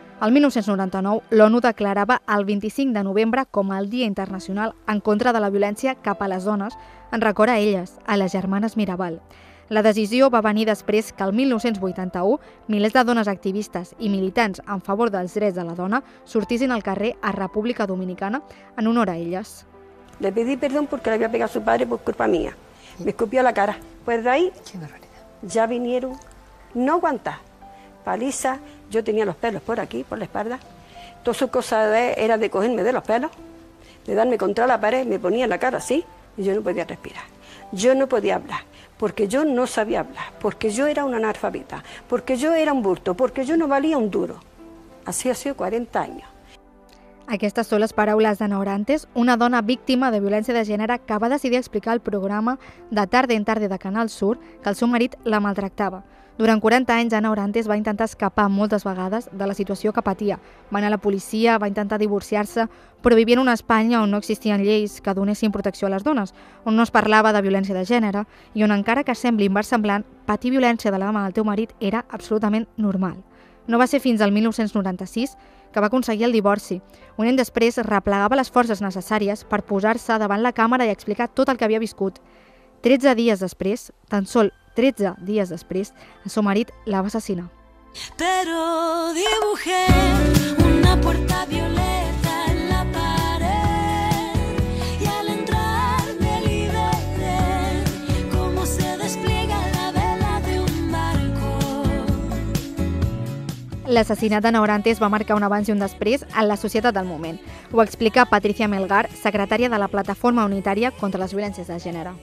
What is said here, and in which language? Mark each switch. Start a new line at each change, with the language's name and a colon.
Catalan: El 1999, l'ONU declarava el 25 de novembre com el Dia Internacional en contra de la violència cap a les dones, en record a elles, a les germanes Mirabal. La decisió va venir després que el 1981 milers de dones activistes i militants en favor dels drets de la dona sortissin al carrer a República Dominicana en honor a elles.
Spanish: Le pedí perdón porque le había pegado a su padre por culpa mía. Me escupió la cara. Pues de ahí ya vinieron, no aguantar, paliza. Yo tenía los pelos por aquí, por la espalda. Todo su cosa era de cogerme de los pelos, de darme contra la pared, me ponía la cara así y yo no podía respirar. Yo no podía hablar, porque yo no sabía hablar, porque yo era una analfabeta, porque yo era un bulto, porque yo no valía un duro. Así ha sido 40 años.
Catalan: Aquestes són les paraules d'Ana Orantes, una dona víctima de violència de gènere que va decidir explicar al programa de Tarde en Tarde de Canal Sur que el seu marit la maltractava. Durant 40 anys, Ana Orantes va intentar escapar moltes vegades de la situació que patia. Va anar a la policia, va intentar divorciar-se, però vivia en una Espanya on no existien lleis que donessin protecció a les dones, on no es parlava de violència de gènere i on, encara que sembli inversemblant, patir violència de la mà del teu marit era absolutament normal. No va ser fins al 1996 que va aconseguir el divorci. Un any després replegava les forces necessàries per posar-se davant la càmera i explicar tot el que havia viscut. 13 dies després, tan sol 13 dies després, el seu marit la va assassinar.
Spanish: Pero dibujé una puerta violeta en la pared y al entrar me liberé como se despliega la vela de un barco.
Catalan: L'assassinat de Naurantes va marcar un abans i un després en la societat del moment. Ho explica Patricia Melgar, secretària de la Plataforma Unitària contra les Violències de Gènere.